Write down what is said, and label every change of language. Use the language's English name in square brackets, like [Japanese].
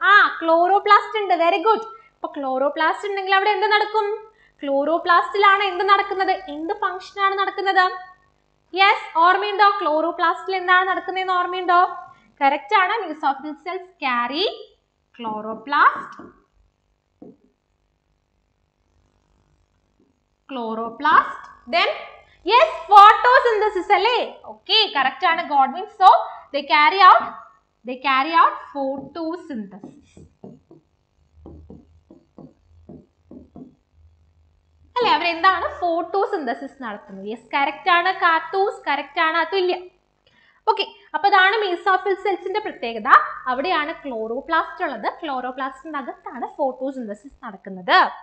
[Malayalam] ആ ക്ലോറോപ്ലാസ്റ്റ് ഉണ്ട്, very good. അപ്പൊ ക്ലോറോപ്ലാസ്റ്റ് ഉണ്ടെങ്കിൽ അവിടെ എന്ത് നടക്കും, ക്ലോറോപ്ലാസ്റ്റിലാണ് എന്ത് നടക്കുന്നത്, എന്ത് ഫംഗ്ഷൻ ആണ് നടക്കുന്നത്, യെസ് ഓർമ്മയുണ്ടോ ക്ലോറോപ്ലാസ്റ്റിൽ എന്താണ് നടക്കുന്നതെന്ന് ഓർമ്മയുണ്ടോ, കറക്റ്റ് ആണ്, [English] mesophyll cells carry chloroplast, [Malayalam] chloroplast, then yes photosynthesis അല്ലേ. ഓക്കെ, കറക്റ്റ് ആണ്, God means. So [English] they carry out photosynthesis. [Malayalam] അല്ലേ, അവരെന്താണ് ഫോട്ടോസിന്തസിസ് നടത്തുന്നത്? യെസ് കറക്റ്റ് ആണ്, കാർട്ടൂസ് കറക്റ്റ് ആണ്, അതും ഇല്ല. ഓക്കെ, അപ്പൊ ഇതാണ് മീസോഫിൽ സെൽസിന്റെ പ്രത്യേകത. അവിടെയാണ് ക്ലോറോപ്ലാസ്റ്റ് ഉള്ളത്, ക്ലോറോപ്ലാസ്റ്റിന്റെ അകത്താണ് ഫോട്ടോസിന്തസിസ് നടക്കുന്നത്.